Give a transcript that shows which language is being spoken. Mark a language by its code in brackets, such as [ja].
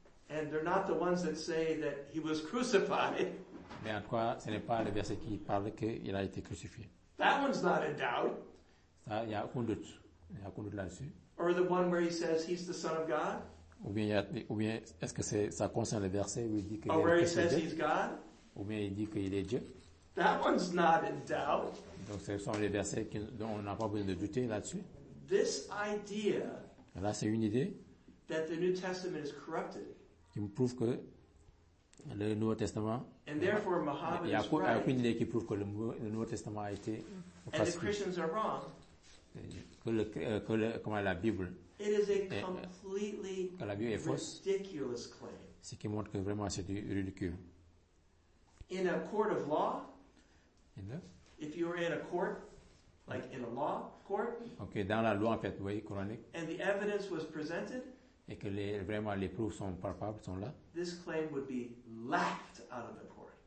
[en] And they're not the ones that say that he was crucified. [fr] Mais en quoi ce n'est pas le verset qui parle qu'il a été crucifié. [en] That one's not in doubt. [fr] Ça, il y a aucun doute. Il y a aucun doute là-dessus. [en] Or the one where he says he's the son of God. [fr] Ou bien est-ce que c'est, ça concerne le verset où il dit qu'il est Dieu? [en] Where he says he's God. [fr] Ou bien il dit qu'il est Dieu. [en] That one's not in doubt. [fr] Donc ce sont les versets qui, dont on n'a pas besoin de douter là-dessus. [en] This idea. [fr] Là, c'est une idée. [en] That the New Testament is corrupted. [fr] Qui me prouve que le Nouveau Testament. [en] And therefore, Muhammad is right. [fr] Il y a aucune idée qui prouve que le Nouveau Testament a été. [en] And the Christians are wrong. [fr] Que la Bible est fausse. [en] Ridiculous claim. [fr] Ce qui montre que vraiment c'est du ridicule. [en] In a court of law. In the? If you are in a court, like in a law court. [fr] Okay, dans la loi en fait, oui, coranique. [en] And the evidence was presented. [fr] Et que les preuves sont palpables, sont là. [en] This claim would be laughed out of the court.